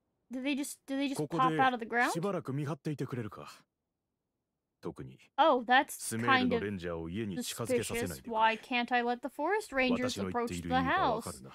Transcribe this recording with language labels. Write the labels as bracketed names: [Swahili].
[English] Do they just pop out of the ground? [Japanese] ここでしばらく見張っていてくれるか。特に。 [English] Oh, that's kind of suspicious. [Japanese] スメールのレンジャーを家に近づけさせないで。 [English] Why can't I let the forest rangers approach the house?